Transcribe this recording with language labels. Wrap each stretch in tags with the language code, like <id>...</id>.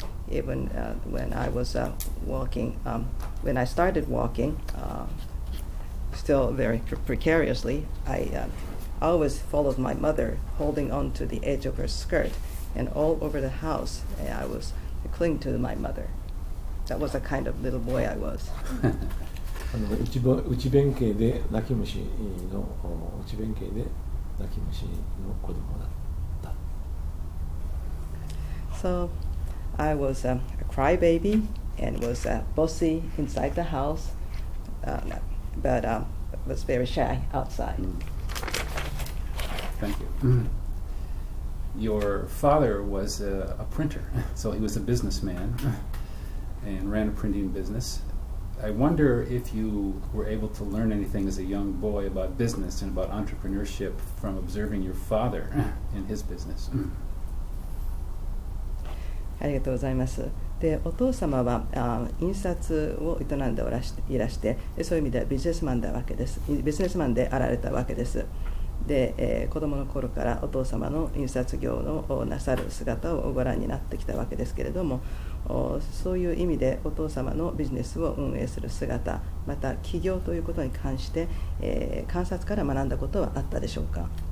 <en>Even when I was walking, when I started walking, still very precariously, I always followed my mother, holding on to the edge of her skirt, and all over the house, I was clinging to my mother. That was the kind of little boy I was.</en> <ja>内弁慶で泣き虫の内弁慶で泣き虫の子供だった。</ja> <en>So, I was a crybaby and was a bossy inside the house, but was very shy outside. Thank you. Your father was a printer, so he was a businessman and ran a printing business. I wonder if you were able to learn anything as a young boy about business and about entrepreneurship from observing your father in his business.</en> <ja>ありがとうございます。で、お父様は印刷を営んでいらして、そういう意味ではビジネスマンだわけです。ビジネスマンであられたわけです。で、子供の頃からお父様の印刷業のをなさる姿をご覧になってきたわけですけれども、そういう意味でお父様のビジネスを運営する姿、また起業ということに関して、観察から学んだことはあったでしょうか。</ja>